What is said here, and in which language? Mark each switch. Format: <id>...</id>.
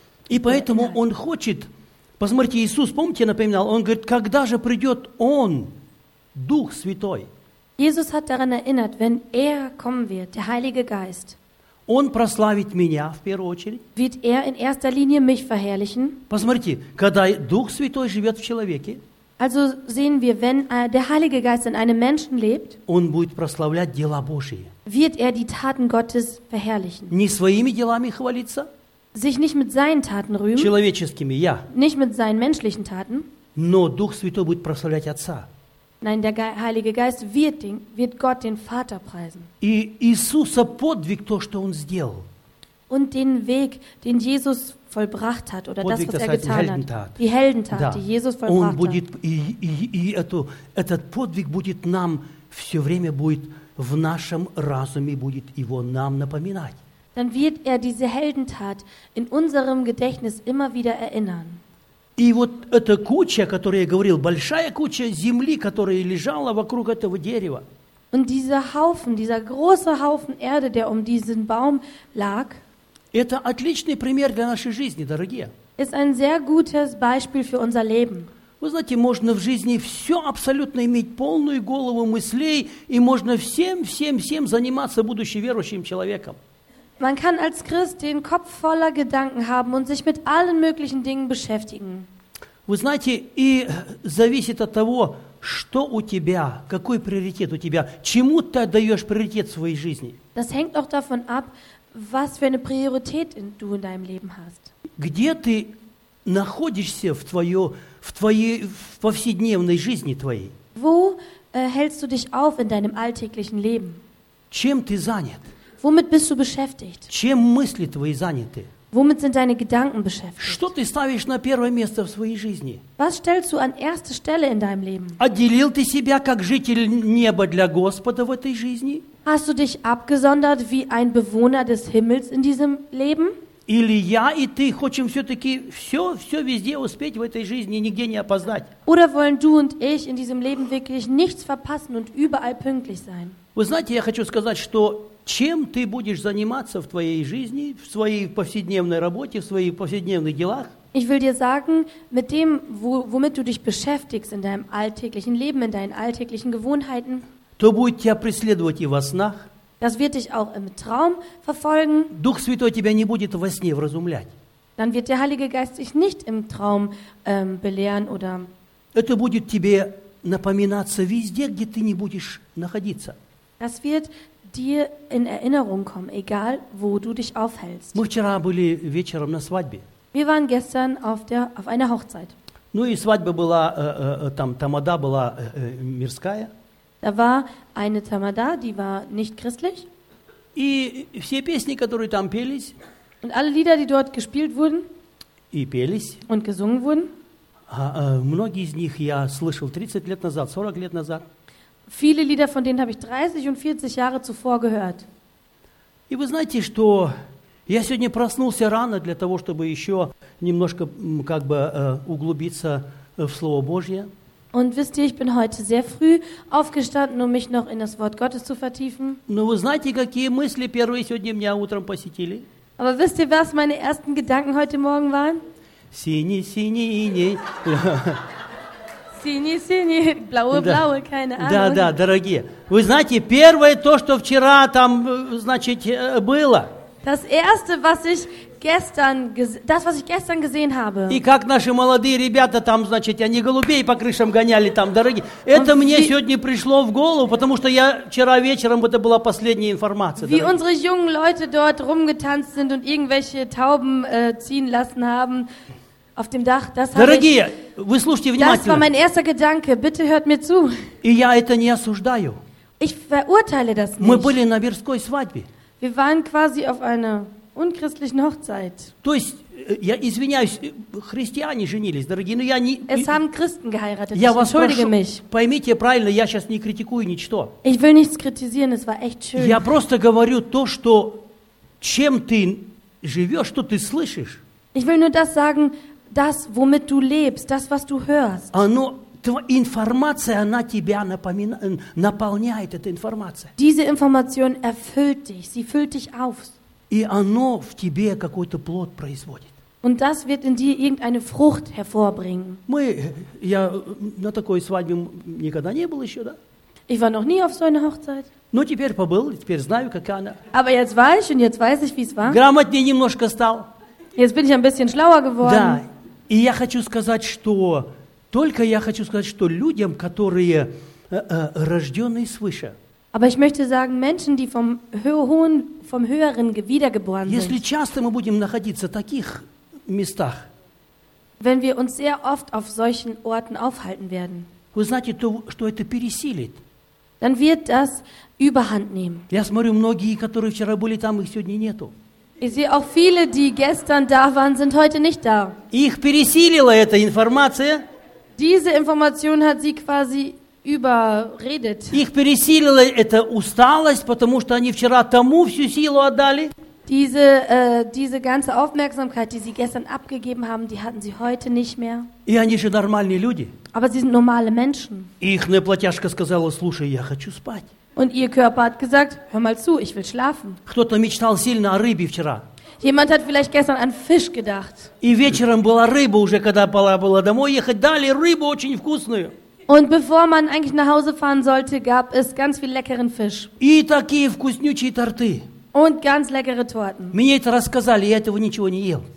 <ru>И поэтому он хочет, посмотрите, Иисус, помните, напоминал, он говорит, когда же придет он, Дух Святой?</ru> <de>Jesus hat daran erinnert, wenn er kommen wird, der Heilige Geist.</de> <ru>Он прославит меня в первую очередь.</ru> <de>Wird er in erster Linie mich verherrlichen?</de> <ru>Посмотрите, когда Дух Святой живет в человеке.</ru> <de>Also sehen wir, wenn der Heilige Geist in einem Menschen lebt,</de> <ru>он будет прославлять дела Божьи.</ru> <de>Wird er die Taten Gottes verherrlichen.</de> <ru>Не своими делами хвалиться.</ru> <de>Sich nicht mit seinen Taten rühmen.</de> <ru>Человеческими, ja.</ru> <de>Nicht mit seinen menschlichen Taten.</de> <ru>Но Дух Святой будет прославлять Отца.</ru> <de>Nein, der Heilige Geist wird Gott, den Vater, preisen.</de> <ru>И Иисуса подвиг, то, что он сделал.</ru> <de>Und den Weg, den Jesus vollbracht hat, oder подвиг, das, was er getan hat. Die Heldentat,</de> <ru>да.</ru> <de>Die Jesus vollbracht</de> <ru>будет,</ru> <de>hat.</de> <ru>Этот подвиг будет нам все время будет в нашем разуме, будет его нам напоминать.</ru> <de>Dann wird er diese Heldentat in unserem Gedächtnis immer wieder erinnern.</de> <ru>И вот эта куча, о которой я говорил, большая куча земли, которая лежала вокруг этого дерева.</ru> <de>Und dieser Haufen, dieser große Haufen Erde, der um diesen Baum lag.</de> <ru>Это отличный пример для нашей жизни, дорогие.</ru> <de>Ist ein sehr gutes Beispiel für unser Leben.</de> <ru>Вы знаете, можно в жизни все абсолютно иметь полную голову мыслей, и можно всем заниматься будущим верующим человеком.</ru> <de>Man kann als Christ den Kopf voller Gedanken haben und sich mit allen möglichen Dingen beschäftigen.</de> <ru>Вы знаете, и зависит от того, что у тебя, какой приоритет у тебя, чему ты отдаешь приоритет в своей жизни.</ru> <de>Das hängt auch davon ab, was für eine Priorität du in deinem Leben hast.</de> <ru>Где ты находишься в повседневной жизни твоей?</ru> <de>Wo hältst du dich auf in deinem alltäglichen Leben?</de> <ru>Чем ты занят?</ru> <de>Womit bist du beschäftigt?</de> <ru>Чем мысли твои заняты?</ru> <de>Womit sind deine Gedanken beschäftigt?</de> <ru>Что ты ставишь на первое место в своей жизни?</ru> <de>Was stellst du an erste Stelle in deinem Leben?</de> <ru>Отделил ты себя как житель неба для Господа в этой жизни?</ru> <de>Hast du dich abgesondert wie ein Bewohner des Himmels in diesem Leben?</de> <ru>Или я и ты хотим все-таки все везде успеть в этой жизни и нигде не опоздать?</ru> <de>Oder wollen du und ich in diesem Leben wirklich nichts verpassen und überall pünktlich sein?</de> <ru>Вы знаете, я хочу сказать, что чем ты будешь заниматься в твоей жизни, в своей повседневной работе, в своих повседневных делах?</ru> <de>Ich will dir sagen, mit dem, womit du dich beschäftigst in deinem alltäglichen Leben, in deinen alltäglichen Gewohnheiten,</de> <ru>то будет тебя преследовать и во снах.</ru> <de>Das wird dich auch im Traum verfolgen.</de> <ru>Дух Святой тебя не будет во сне вразумлять.</ru> <de>Dann wird der Heilige Geist dich nicht im Traum belehren oder.</de> <ru>Это будет тебе напоминаться везде, где ты не будешь находиться.</ru> <de>Das wird dir in Erinnerung kommen, egal wo du dich aufhältst.</de> <ru>Мы вчера были вечером на свадьбе.</ru> <de>Wir waren gestern auf einer Hochzeit.</de> <ru>Ну и свадьба была там тамада была мирская.</ru> <de>Da war eine Tamada, die war nicht christlich.</de> <ru>И все песни, которые там пелись.</ru> <de>Und alle Lieder, die dort gespielt wurden.</de> <ru>И пелись.</ru> <de>Und gesungen wurden.</de> <ru>Многие из них я слышал 30 лет назад, 40 лет назад.</ru> <de>Viele Lieder von denen habe ich 30 und 40 Jahre zuvor gehört.</de> <ru>И вы знаете, что я сегодня проснулся рано для того, чтобы еще немножко как бы углубиться в Слово Божье.</ru> <de>Und wisst ihr, ich bin heute sehr früh aufgestanden, um mich noch in das Wort Gottes zu vertiefen.</de> <ru>Но вы знаете, какие мысли первые сегодня меня утром посетили?</ru> <de>Aber wisst ihr, was meine ersten Gedanken heute Morgen waren?</de> <ru>Синий-синий-иней. Синий-синий,</ru> <de>блау-блау, keine Ahnung.</de> <ru>Да, дорогие. Вы знаете, первое то, что вчера там, значит, было.</ru> <de>Das Erste, was ich gestern gesehen habe.</de> <ru>И как наши молодые ребята там, значит, они голубей по крышам гоняли там, дорогие. Это мне сегодня пришло в голову, потому что я вчера вечером, это была последняя информация.</ru> <de>Wie unsere jungen Leute dort rumgetanzt sind und irgendwelche Tauben ziehen lassen haben. Auf dem Dach, das</de> <ru>дорогие, вы слушайте внимательно.</ru> <de>Das war mein erster Gedanke. Bitte hört mir zu.</de> <ru>И я это не осуждаю.</ru> <de>Ich verurteile das nicht.</de> <ru>Мы были на мирской свадьбе.</ru> <de>Wir waren quasi auf einer unchristlichen Hochzeit.</de> <ru>То есть, я извиняюсь, христиане женились, дорогие, но я не.</ru> <de>Es haben Christen geheiratet.</de> <ru>Я вас</ru> <de>entschuldige mich.</de> <ru>Поймите правильно, я сейчас не критикую ничто.</ru> <de>Ich will nichts kritisieren. Es war echt schön.</de> <ru>Я просто говорю то, что чем ты живешь, что ты слышишь.</ru> <de>Ich will nur das sagen. das, womit du lebst, das, was du hörst.</de> <ru>Оно, информация, она тебя наполняет, эта информация.</ru> <de>Diese Information erfüllt dich, sie füllt dich auf.</de> <ru>И оно в тебе какой-то плод производит.</ru> <de>Und das wird in dir irgendeine Frucht hervorbringen.</de> <ru>Мы, я на такой свадьбе никогда не был еще, да?</ru> <de>Ich war noch nie auf so einer Hochzeit.</de> <ru>Но теперь побыл, теперь знаю, как она.</ru> <de>Aber jetzt war ich und jetzt weiß ich, wie es war.</de> <ru>Грамотнее немножко стал.</ru> <de>Jetzt bin ich ein bisschen schlauer geworden.</de> <ru>Да. И я хочу сказать, что только я хочу сказать, что людям, которые рожденные свыше.</ru> <de>Aber ich möchte sagen, Menschen, die vom Höheren, wiedergeboren sind.</de> <ru>Если часто мы будем находиться в таких местах.</ru> <de>Wenn wir uns sehr oft auf solchen Orten aufhalten werden.</de> <ru>Вы знаете, то, что это пересилит.</ru> <de>Dann wird das überhand nehmen.</de> <ru>Я смотрю, многие, которые вчера были там, их сегодня нету.</ru> <de>Ich sehe auch viele, die gestern da waren, sind heute nicht da.</de> <ru>Их пересилила эта информация.</ru> <de>Diese Information hat sie quasi überredet.</de> <ru>Их пересилила эта усталость, потому что они вчера тому всю силу отдали.</ru> <de>Diese, diese ganze Aufmerksamkeit, die sie gestern abgegeben haben, die hatten sie heute nicht mehr.</de> <ru>И они же нормальные люди.</ru> <de>Aber sie sind normale Menschen.</de> <ru>Ихняя платяшка сказала: «Слушай, я хочу спать».</ru> <de>Und ihr Körper hat gesagt: «Hör mal zu, ich will schlafen».</de> <ru>Кто-то мечтал сильно о рыбе вчера.</ru> <de>Jemand hat vielleicht gestern an Fisch gedacht.</de> <ru>И вечером была рыба уже, когда пора было домой ехать, дали рыбу очень вкусную.</ru> <de>Und bevor man eigentlich nach Hause fahren sollte, gab es ganz viel leckeren Fisch.</de> <ru>И такие вкуснючие торты.</ru> <de>Und ganz leckere Torten.</de> <ru>Мне это рассказали, я этого ничего не ел.</ru>